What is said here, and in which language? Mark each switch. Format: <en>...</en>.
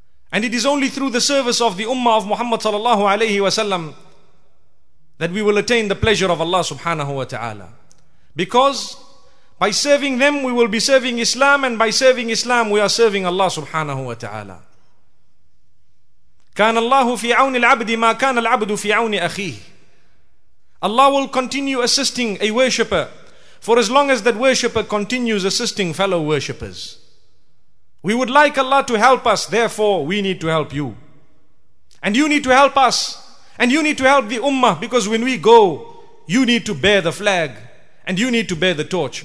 <en>And it is only through the service of the ummah of Muhammad</en> <ar>sallallahu alayhi wa sallam</ar> <en>that we will attain the pleasure of Allah</en> <ar>subhanahu wa ta'ala.</ar> <en>Because by serving them, we will be serving Islam, and by serving Islam, we are serving Allah</en> <ar>subhanahu wa ta'ala. كان الله في عون العبد ما كان العبد في عون أخيه.</ar> <en>Allah will continue assisting a worshipper for as long as that worshipper continues assisting fellow worshippers. We would like Allah to help us, therefore we need to help you. And you need to help us. And you need to help the ummah, because when we go, you need to bear the flag and you need to bear the torch.</en>